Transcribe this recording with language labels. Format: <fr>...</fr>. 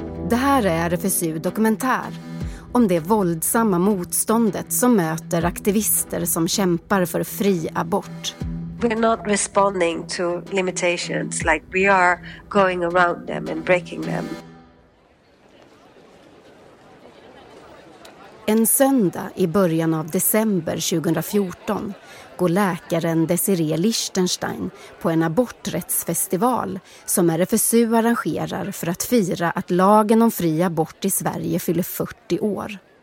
<sv>Det här är RFSU Dokumentär om det våldsamma motståndet som möter aktivister som kämpar för fri abort.</sv> <en>We're not responding to limitations, like we are going around them and breaking them.</en> <sv>En söndag i början av december 2014 går läkaren Desiree Lichtenstein på en aborträttsfestival som RFSU arrangerar för att fira att lagen om fri abort i Sverige fyller 40 år.</sv>